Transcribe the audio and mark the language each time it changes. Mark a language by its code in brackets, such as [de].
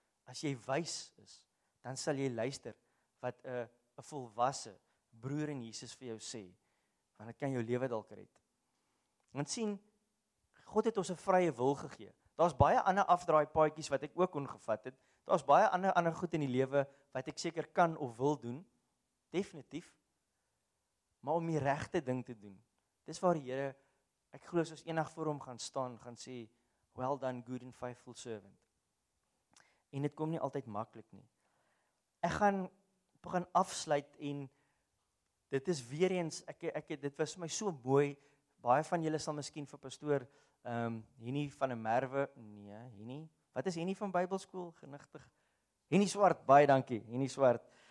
[af] As jy wys is, dan sal jy luister wat 'n volwasse broer in Jesus vir jou sê, want dit kan jou lewe dalk red. Want sien, God het ons 'n vrye wil gegee. Daar's baie ander afdraai paadjies wat ek ook ongevat het. Daar's baie ander goed in die lewe wat ek seker kan of wil doen. Definitief. Maar om die regte ding te doen. Dis waar die Here, ek glo as ons eendag voor hom gaan staan, gaan sê, [en] "Well done, good and faithful servant." [af] En dit kom nie altyd maklik nie. Ek gaan begin afsluit en dit is weer eens ek dit was my so mooi. Baie van julle sal miskien vir pastoor Henie van der Merwe, nee, Henie. Wat is Henie van Bybelskool genigtig? Henie Swart, baie dankie. Henie Swart.